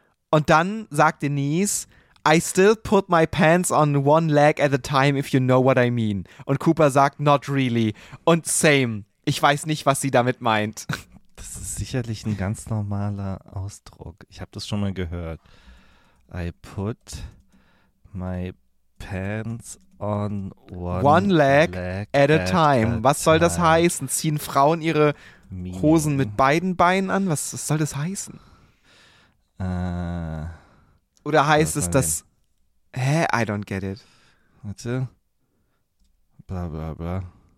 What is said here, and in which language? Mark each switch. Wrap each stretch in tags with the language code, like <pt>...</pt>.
<de>Und dann sagt Denise,</de> <en>I still put my pants on one leg at a time, if you know what I mean.</en> <de>Und Cooper sagt,</de> <en>not really.</en> <de>Und same, ich weiß nicht, was sie damit meint. Das ist sicherlich ein ganz normaler Ausdruck. Ich habe das schon mal gehört.</de> <en>I put my pants on one leg at a time.</en> <de>Was soll das heißen? Ziehen Frauen ihre Hosen mit beiden Beinen an? Was soll das heißen? Oder heißt es, dass...</de> <en>I don't get it.</en> <de>Warte. Bla, bla, bla.</de>